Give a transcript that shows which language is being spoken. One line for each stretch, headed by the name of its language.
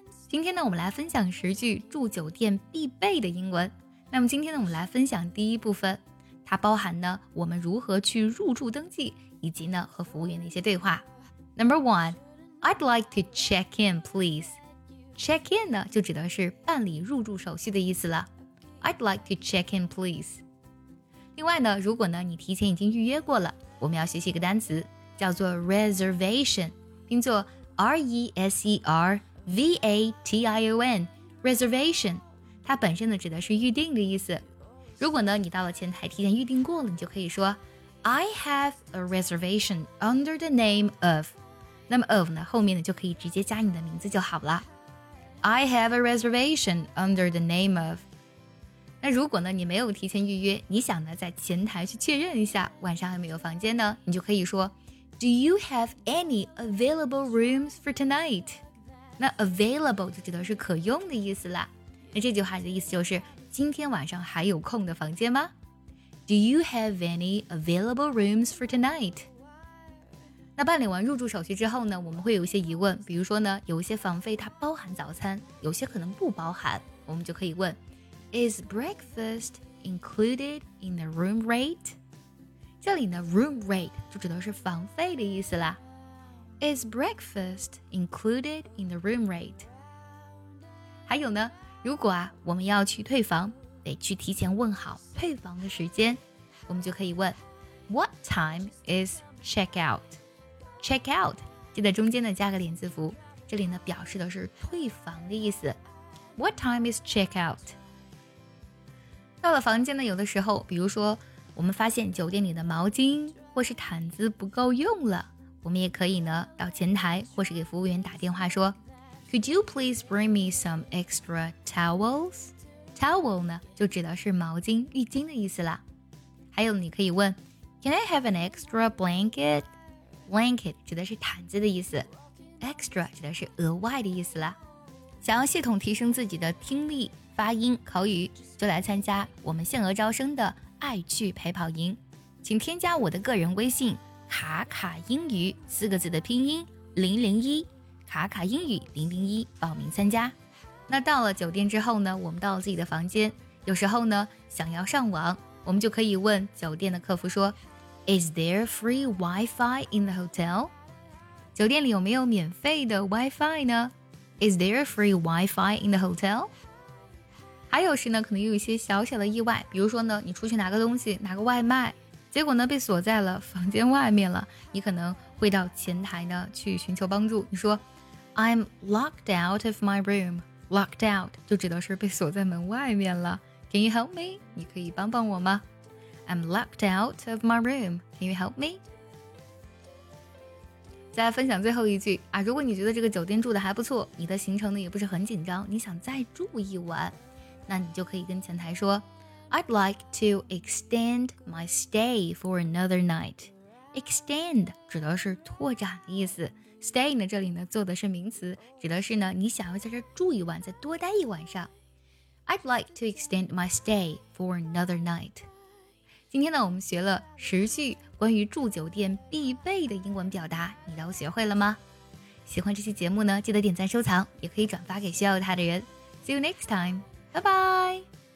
Chinese: 今天呢，我们来分享十句住酒店必备的英文。那么今天呢，我们来分享第一部分，它包含呢我们如何去入住登记，以及呢和服务员的一些对话。
English: Number one, I'd like to check in, please.
Chinese: Check in 呢就指的是办理入住手续的意思了。
English: I'd like to check in, please.
Chinese: 另外呢，如果呢你提前已经预约过了，我们要学习一个单词叫做 reservation， 拼作 reservation， reservation， 它本身呢指的是预定的意思。如果呢你到了前台提前预定过了，你就可以说
English: I have a reservation under the name of，
Chinese: 那么 of 呢后面呢就可以直接加你的名字就好了。
English: I have a reservation under the name of。
Chinese: 那如果呢你没有提前预约，你想呢在前台去确认一下晚上还没有房间呢，你就可以说
English: Do you have any available rooms for tonight?
Chinese: 那 available 就指的是可用的意思啦。那这句话的意思就是今天晚上还有空的房间吗？
English: Do you have any available rooms for tonight?
Chinese: 那办理完入住手续之后呢，我们会有一些疑问，比如说呢有一些房费它包含早餐，有些可能不包含，我们就可以问
English: Is breakfast included in the room rate?
Chinese: 这里呢 room rate 就指的是房费的意思啦。
English: Is breakfast included in the room rate?
Chinese: 还有呢，如果啊我们要去退房，得去提前问好退房的时间，我们就可以问
English: What time is check out?
Chinese: Check out 就在中间呢加个连字符，这里呢表示的是退房的意思。
English: What time is check out?
Chinese: 到了房间呢，有的时候比如说我们发现酒店里的毛巾或是毯子不够用了，我们也可以呢到前台或是给服务员打电话说
English: Could you please bring me some extra towels?
Chinese: Towel 呢就指的是毛巾浴巾的意思啦。还有你可以问
English: Can I have an extra blanket?
Chinese: Blanket 指的是毯子的意思， Extra 指的是额外的意思啦。想要系统提升自己的听力发音口语，就来参加我们限额招生的爱趣陪跑营，请添加我的个人微信卡卡英语四个字的拼音001，卡卡英语001报名参加。那到了酒店之后呢，我们到了自己的房间，有时候呢想要上网，我们就可以问酒店的客服说
English: Is there free Wi-Fi in the hotel?
Chinese: 酒店里有没有免费的 Wi-Fi 呢？
English: Is there free Wi-Fi in the hotel?
Chinese: 还有时呢可能有一些小小的意外，比如说呢你出去拿个东西，拿个外卖，结果呢被锁在了房间外面了，你可能会到前台呢去寻求帮助。你说
English: I'm locked out of my room.
Chinese: Locked out 就指的是被锁在门外面了。
English: Can you help me?
Chinese: 你可以帮帮我吗？
English: I'm locked out of my room. Can you help me?
Chinese: 再来分享最后一句啊，如果你觉得这个酒店住的还不错，你的行程呢也不是很紧张，你想再住一晚，那你就可以跟前台说
English: I'd like to extend my stay for another night.
Chinese: Extend 指的是拓展的意思， Stay 呢这里呢做的是名词，指的是呢你想要在这住一晚，再多待一晚上。
English: I'd like to extend my stay for another night.
Chinese: 今天呢我们学了十句关于住酒店必备的英文表达，你都学会了吗？喜欢这期节目呢记得点赞收藏，也可以转发给需要它的人。
English: See you next time. Bye-bye.